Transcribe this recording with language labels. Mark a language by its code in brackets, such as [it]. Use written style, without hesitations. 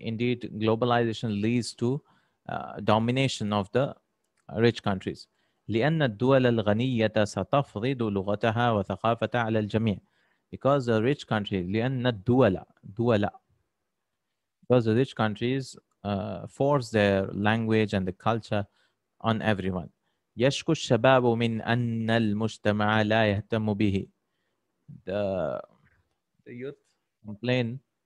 [en] Indeed, globalization leads to domination of the rich countries. [ar] لأن الدول الغنية ستفرض لغتها وثقافتها على الجميع. [en] Because the rich countries, لأن الدول, دولة. Because the rich countries force their language and the culture on everyone. [ar] يشكو الشباب من أن المجتمع لا يهتم به. The youth complain